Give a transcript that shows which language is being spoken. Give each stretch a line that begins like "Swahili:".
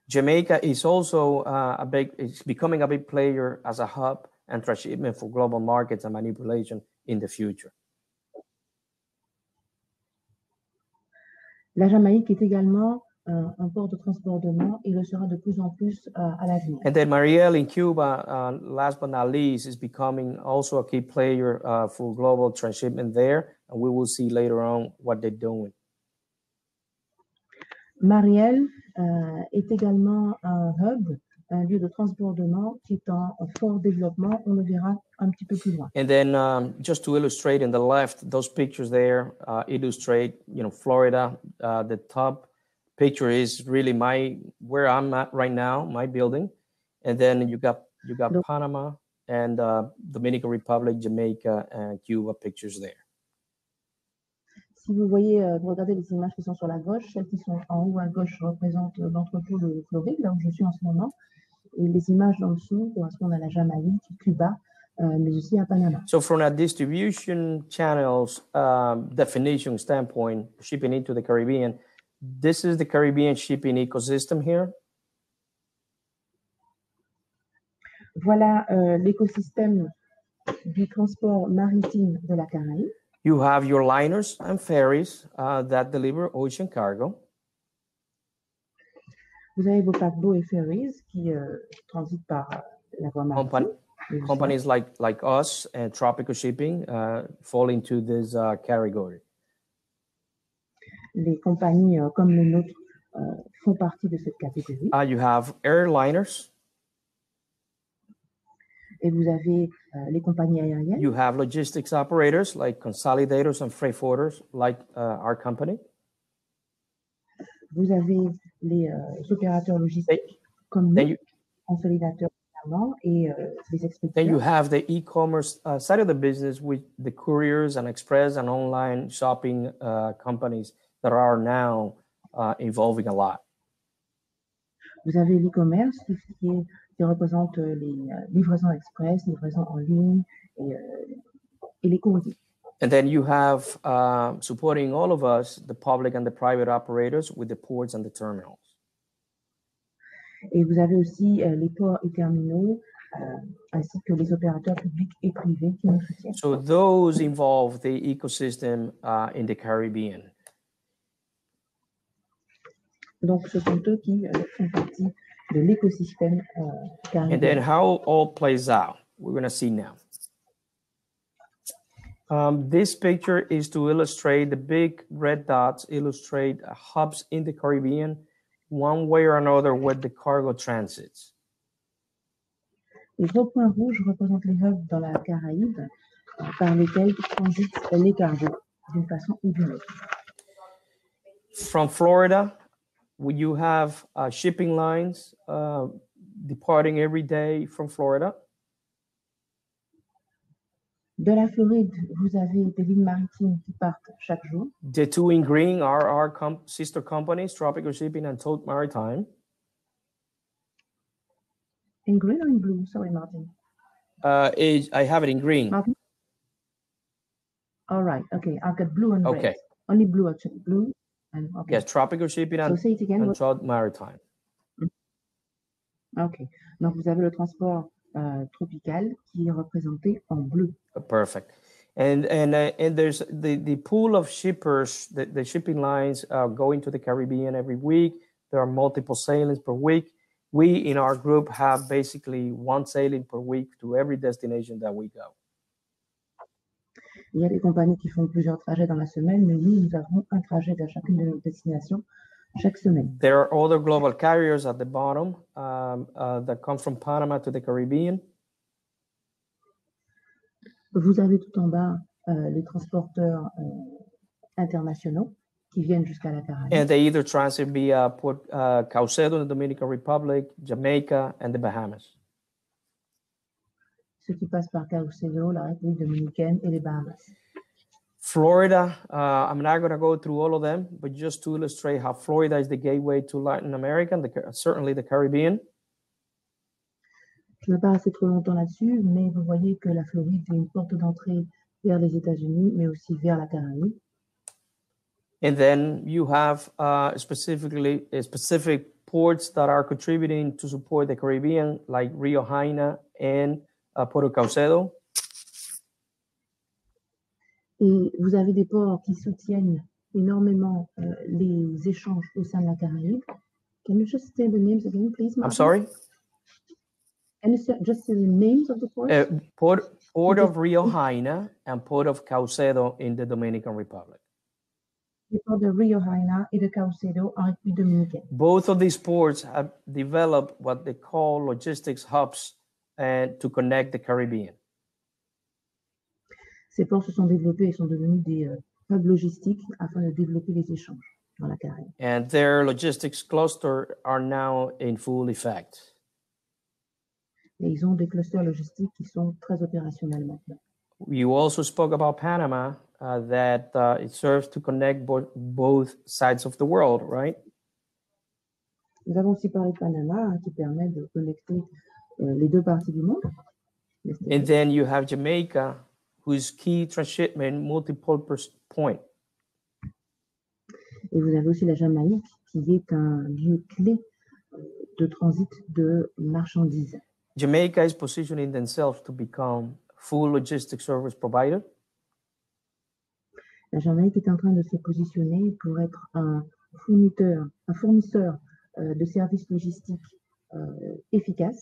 English: Jamaica is also it's becoming a big player as a hub and transshipment for global markets and manipulation in the future.
French: La Jamaïque est également un port de transbordement et le sera de plus en plus à l'avenir.
English: And then Mariel in Cuba, last but not least, is becoming also a key player for global transshipment there. And we will see later on what they're doing.
French: Mariel est également un hub, un lieu de transbordement qui est en fort développement. On le verra un petit peu plus loin.
English: And then just to illustrate in the left, those pictures there illustrate, you know, Florida. The top picture is really where I'm at right now, my building. And then you got Panama and Dominican Republic, Jamaica and Cuba pictures there.
French: Si vous voyez, vous regardez les images qui sont sur la gauche, celles qui sont en haut à gauche représentent l'entrepôt de Floride, là où je suis en ce moment. Et les images en dessous correspondent à la Jamaïque, Cuba, mais aussi à Panama.
English: So from a distribution channels definition standpoint, shipping into the Caribbean, this is the Caribbean shipping ecosystem here.
French: Voilà l'écosystème du transport maritime de la Caraïbe.
English: You have your liners and ferries that deliver ocean cargo.
French: Vous avez vos paquebots et ferries qui transitent par la voie maritime.
English: companies like us and tropical shipping fall into this category.
French: Les compagnies comme les nôtres font partie de cette catégorie.
English: You have airliners.
French: Et vous avez les compagnies aériennes.
English: You have logistics operators like consolidators and freight forwarders like our company.
French: Vous avez les opérateurs logistiques comme nous, consolidateurs également et les expéditeurs.
English: Then you have the e-commerce side of the business with the couriers and express and online shopping companies that are now evolving a lot.
French: Vous avez l'e-commerce qui représente les livraisons express, livraisons en ligne et les courriers.
English: And then you have supporting all of us, the public and the private operators, with the ports and the terminals.
French: Et vous avez aussi les ports et terminaux, ainsi que les opérateurs publics et privés qui nous soutiennent.
English: So those involve the ecosystem in the Caribbean.
French: Donc ce sont eux qui font partie de l'écosystème caribéen.
English: And then how it all plays out, we're going to see now. This picture is to illustrate the big red dots, illustrate hubs in the Caribbean, one way or another with the cargo transits.
French: Les gros points rouges représentent les hubs dans la Caraïbe par lesquels transitent les cargos d'une façon ou d'une autre.
English: From Florida, you have shipping lines departing every day from Florida.
French: De la Floride, vous avez des lignes maritimes qui partent chaque jour.
English: The two in green are our sister companies, Tropical Shipping and Tote Maritime. In green or in blue? Sorry, Martin. I have it in green. Martin? All right, okay. I've got blue and okay. Red. Only blue, actually. Blue and okay. Yes, Tropical Shipping and, say it again. And Tote Maritime. Okay.
French: Donc, vous avez le transport tropical qui est représenté en bleu.
English: Perfect. And there's the pool of shippers, the shipping lines going to the Caribbean every week. There are multiple sailings per week. We in our group have basically one sailing per week to every destination that we go.
French: Il y a des compagnies qui font plusieurs trajets dans la semaine, mais nous avons un trajet à chacune de nos destinations chaque semaine.
English: There are other global carriers at the bottom that come from Panama to the Caribbean.
French: Vous avez tout en bas les transporteurs internationaux qui viennent jusqu'à la Caraïbe.
English: And they either transit via Port Caicedo in the Dominican Republic, Jamaica, and the Bahamas.
French: Ceux qui passent par Caicedo, la République Dominicaine et les Bahamas.
English: Florida, I'm not going to go through all of them, but just to illustrate how Florida is the gateway to Latin America, and certainly the Caribbean.
French: Je ne vais pas rester trop longtemps là-dessus, mais vous voyez que la Floride est une porte d'entrée vers les États-Unis, mais aussi vers la Caraïbe.
English: And then you have specifically specific ports that are contributing to support the Caribbean, like Rio Haina and Puerto Caicedo.
French: Et vous avez des ports qui soutiennent énormément les échanges au sein de la Caraïbe.
English: Can you just say the names again, please, Martin? I'm sorry. And just the names of the ports? Port of Rio Haina and Port of Caicedo in the Dominican Republic.
French: Port de Rio Haina et de Caicedo en République Dominicaine.
English: Both of these ports have developed what they call logistics hubs and to connect the Caribbean.
French: Ces ports se sont développés et sont devenus des hubs logistiques afin de développer les échanges dans la Caraïbe.
English: And their logistics clusters are now in full effect.
French: Et ils ont des clusters logistiques qui sont très opérationnels maintenant.
English: You also spoke about Panama, that it serves to connect both sides of the world, right?
French: Nous avons aussi parlé de Panama, qui permet de connecter les deux parties du monde.
English: And then you have Jamaica, whose key transshipment multi-purpose point.
French: Et vous avez aussi la Jamaïque, qui est un lieu clé de transit de marchandises.
English: Jamaica is positioning themselves to become full logistics service provider.
French: La Jamaïque est en train de se positionner pour être un fournisseur de services logistiques efficaces.